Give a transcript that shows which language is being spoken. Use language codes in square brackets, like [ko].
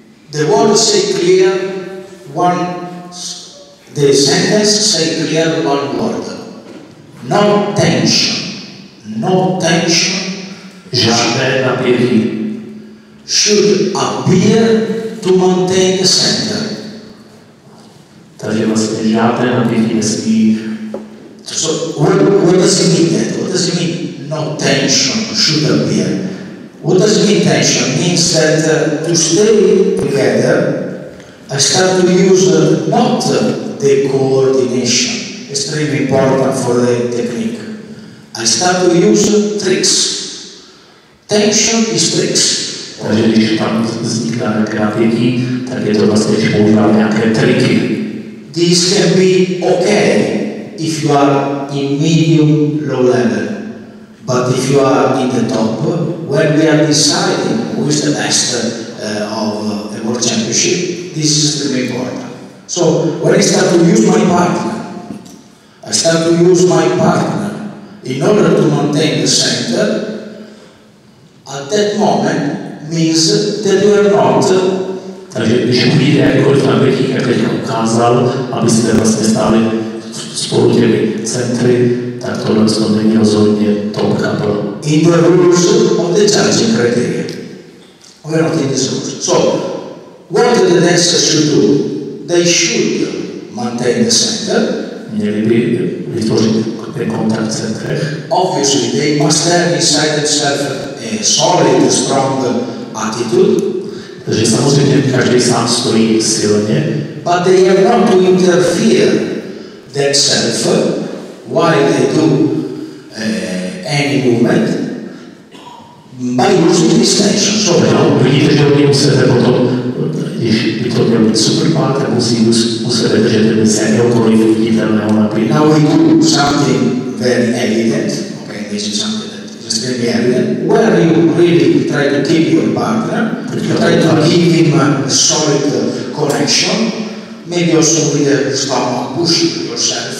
[en] The words say clear one, the sentence say clear one word. No tension. No tension. [cs] Žádné napětí. [en] Should appear to maintain the center. [cs] Takže vlastně žádné napětí nesmí. [en] So, what does it mean that? What does it mean? No tension should appear. What does it mean tension? Means that to stay together, I start to use not the coordination, extremely important for the technique. I start to use tricks. Tension is tricks. [cs] Takže když tam vzniká nějaké napětí, tak je to vlastně, když používám nějaké triky. [en] This can be okay if you are in medium low level. But if you are in the top, when we are deciding who is the best of the World Championship, this is extremely important. So, when I start to use my partner, I start to use my partner in order to maintain the center, at that moment, means that you are not. [cs] Takže když uvidíte jakkoliv napětí, jak teď ukázal, abyste vlastně stáli spolu těmi centry, tak tohle to není rozhodně top couple. [en] In the rules of the judging criteria. We are not in this rules. So, what the dancers should do? They should maintain the center. [cs] Měli by vytvořit ten kontakt v centrech. [en] Obviously, they must have inside themselves a solid, strong attitude. [cs] Takže samozřejmě každý sám stojí silně. [en] But they are not to interfere themselves while they do any movement by using this tension. So, [cs] vidíte, že oni u sebe potom, když by to měl být super pár, tak musí u sebe držet ten zemi okolí viditelného napět. [en] Now we do something very evident. Okay, this is something. Where you really try to keep your partner, you try to give him a solid connection, maybe also with a stomach pushing yourself.